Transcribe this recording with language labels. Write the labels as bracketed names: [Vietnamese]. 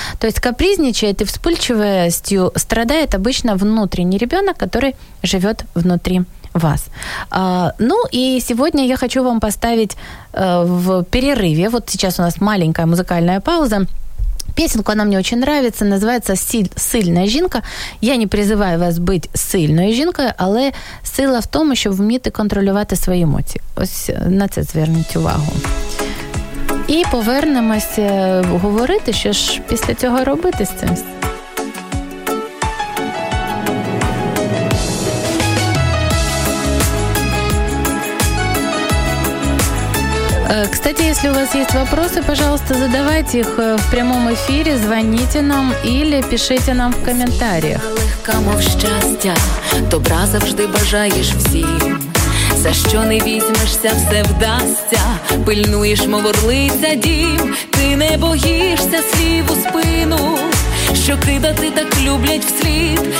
[Russian] То есть капризничает и вспыльчивостью страдает обычно внутренний ребенок, который живет внутри вас. Ну, и сегодня я хочу вам поставить в перерыве. Вот сейчас у нас маленькая музыкальная пауза. Песенку, она мне очень нравится, называется «Сильная жінка». Я не призываю вас быть сильной [Ukrainian] жінкою, але сила в тому, щоб вміти контролювати свої емоції. Ось на це зверніть увагу. І повернемося говорити, що ж після цього робити з цим. [Russian] Кстати, если у вас есть вопросы, пожалуйста, задавайте их в прямом эфире, звоните нам или пишите нам в комментариях. [Ukrainian] Легка, мов щастя, добра завжди бажаєш всім. За що не візьмешся, все вдасться, пильнуєш, мов орлиця, дім. Ти не боїшся слів у спину, що кидати так люблять вслід.